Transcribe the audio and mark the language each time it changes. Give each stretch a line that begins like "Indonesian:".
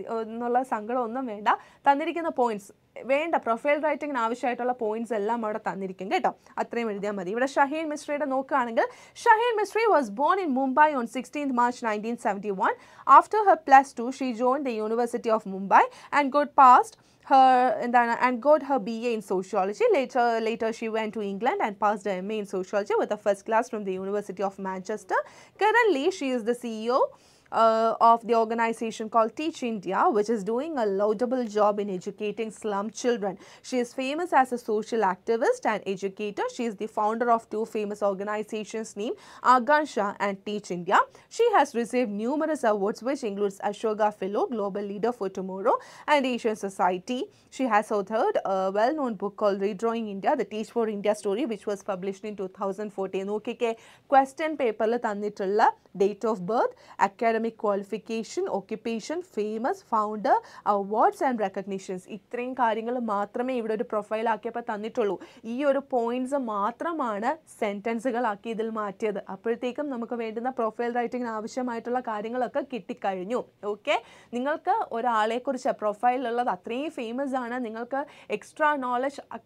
Malayalam: എന്നുള്ള സങ്കടമൊന്നും വേണ്ട തന്നിരിക്കുന്ന പോയിൻറ്സ് വേണ്ട പ്രൊഫൈൽ റൈറ്റിങ്ങിന് ആവശ്യമായിട്ടുള്ള പോയിൻറ്സ് എല്ലാം അവിടെ തന്നിരിക്കും കേട്ടോ അത്രയും എഴുതിയാൽ മതി ഇവിടെ ഷഹീൻ മിശ്രയുടെ നോക്കുകയാണെങ്കിൽ
English: Shaheen Mistri was born in Mumbai on 16th March 1971 after her plus two she join the university of Mumbai and got passed her B A in sociology later she went to England and passed M A in sociology with a first class from the university of Manchester currently she is the CEO of the organization called Teach India, which is doing a laudable job in educating slum children. She is famous as a social activist and educator. She is the founder of two famous organizations named Agansha and Teach India. She has received numerous awards, which includes Ashoka Fellow, Global Leader for Tomorrow, and Asian Society. She has authored a well-known book called Redrawing India, the Teach for India story, which was published in 2014. Okay, question paper la tannittulla date of birth, academic qualification, occupation, famous, founder, awards and recognitions.
Malayalam: ഇത്രയും കാര്യങ്ങൾ മാത്രമേ ഇവിടെ ഒരു profile ആക്കിയപ്പോൾ തന്നിട്ടുള്ളൂ ഈ ഒരു points മാത്രമാണ് സെൻറ്റൻസുകളാക്കി ഇതിൽ മാറ്റിയത് അപ്പോഴത്തേക്കും നമുക്ക് വേണ്ടുന്ന പ്രൊഫൈൽ റൈറ്റിങ്ങിന് ആവശ്യമായിട്ടുള്ള കാര്യങ്ങളൊക്കെ കിട്ടിക്കഴിഞ്ഞു ഓക്കെ നിങ്ങൾക്ക് ഒരാളെക്കുറിച്ച് പ്രൊഫൈലുള്ളത് അത്രയും ഫേമസ് ആണ് നിങ്ങൾക്ക് എക്സ്ട്രാ നോളജ്